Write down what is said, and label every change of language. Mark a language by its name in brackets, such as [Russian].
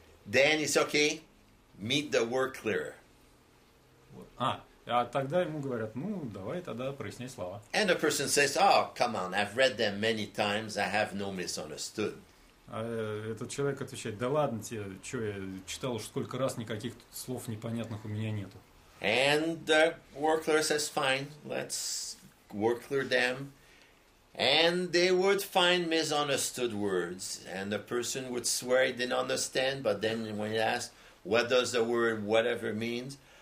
[English] Then it's okay. Meet the word clearer. [Russian] А тогда ему говорят, ну, давай тогда проясняй слова. [English] And the person says, oh, come on, I've read them many times, I have no misunderstood. [Russian] А этот человек отвечает, да ладно тебе, что я читал уж сколько раз, никаких слов непонятных у меня нету. [English] And the worker says, fine, let's work clear them. And they would find misunderstood words, and the person would swear he didn't understand, but then when he asked, what does the word whatever means?